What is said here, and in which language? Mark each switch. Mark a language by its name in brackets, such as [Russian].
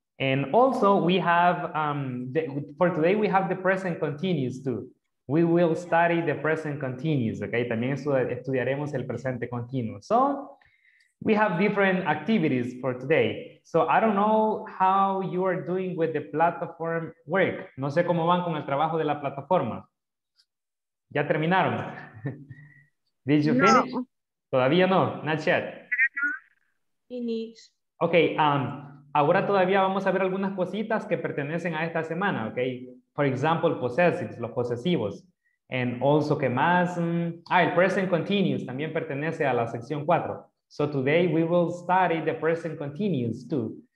[English] And also we have for today we have the present continuous too. We will study the present continuous, okay? [Spanish] También estudiaremos el presente continuo. [English] So we have different activities for today. So I don't know how you are doing with the platform work. [Spanish] No sé cómo van con el trabajo de la plataforma. ¿Ya terminaron? [English] Did you finish? No. [Spanish] Todavía no, [English] not yet. Finish. [Spanish] Okay, ahora todavía vamos a ver algunas cositas que pertenecen a esta semana, okay? [English] For example, possessives, [Spanish] los posesivos. [English] And also, [Spanish] ¿qué más? El present continuous también pertenece a la sección 4. [English] So today we will study the present continuous too.